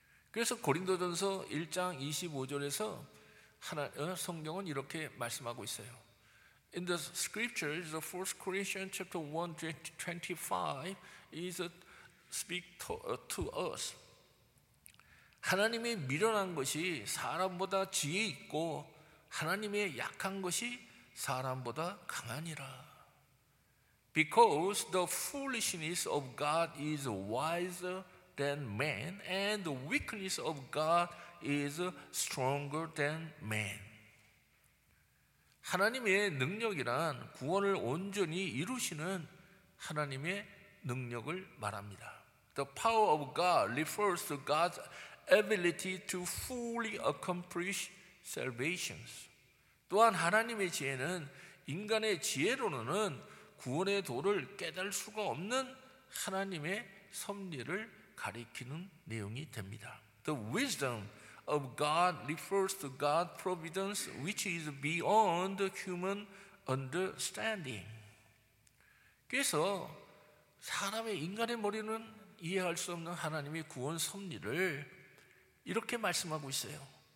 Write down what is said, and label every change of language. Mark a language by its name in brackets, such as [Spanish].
[Korean] 그래서 고린도전서 1장 25절에서 성경은 이렇게 말씀하고 있어요. [English] In the scriptures, the first Corinthians chapter 1:25 speaks to us. [Korean] 하나님이 미련한 것이 사람보다 지혜 있고 하나님의 약한 것이 사람보다 강하니라. [English] Because the foolishness of God is wiser than man and the weakness of God is stronger than man. [Korean] 하나님의 능력이란 구원을 온전히 이루시는 하나님의 능력을 말합니다. [English] The power of God refers to God's ability to fully accomplish salvation. [Korean] 또한 하나님의 지혜는 인간의 지혜로는 구원의 도를 깨달을 수가 없는 하나님의 섭리를 가리키는 내용이 됩니다. [English] The wisdom of God refers to God's providence which is beyond human understanding. [Korean] 그래서 사람의 인간의 머리는 이해할 수 없는 하나님의 구원 섭리를 이렇게 말씀하고 있어요.